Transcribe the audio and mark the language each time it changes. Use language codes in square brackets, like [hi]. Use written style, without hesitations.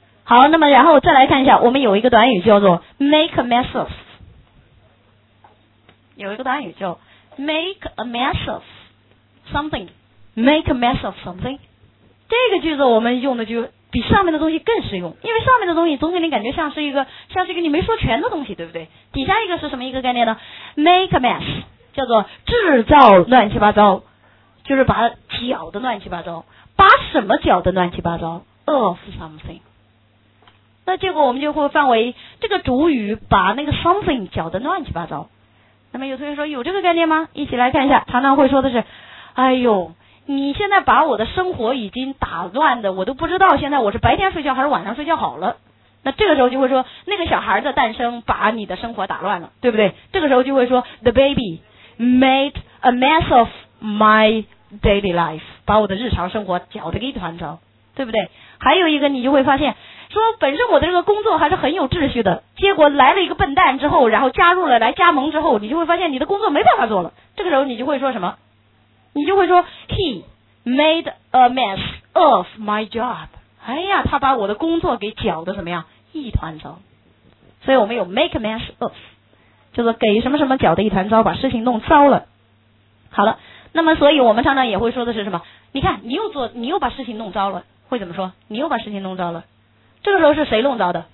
[zh] 好，那么然后再来看一下，我们有一个短语叫做 [en] make a mess of， [zh] 有一个短语叫。 [en] Make a mess of something. Make a mess of something. [zh] 这个句子我们用的就比上面的东西更实用，因为上面的东西总给你感觉像是一个你没说全的东西，对不对？底下一个是什么一个概念呢？ [en] Make a mess [zh] 叫做制造乱七八糟，就是把搅的乱七八糟，把什么搅的乱七八糟 [en] of something。 [zh] 那结果我们就会范围这个主语把那个 something 搅的乱七八糟。那么有同学说有这个概念吗？一起来看一下。常常会说的是，哎呦，你现在把我的生活已经打乱的，我都不知道现在我是白天睡觉还是晚上睡觉好了。那这个时候就会说，那个小孩的诞生把你的生活打乱了，对不对？这个时候就会说 [en] The baby made a mess of my daily life， [zh] 把我的日常生活搅得一团糟，对不对？还有一个你就会发现说，本身我的这个工作还是很有秩序的，结果来了一个笨蛋之后，然后加入了来加盟之后，你就会发现你的工作没办法做了。这个时候你就会说什么？你就会说 [en] He made a mess of my job。 [zh] 哎呀，他把我的工作给搅得怎么样一团糟。所以我们有 [en] make a mess of， [zh] 就是给什么什么搅得一团糟，把事情弄糟了。好了，那么所以我们常常也会说的是什么？你看你又做，你又把事情弄糟了，会怎么说？你又把事情弄糟了。这个时候是谁弄糟的？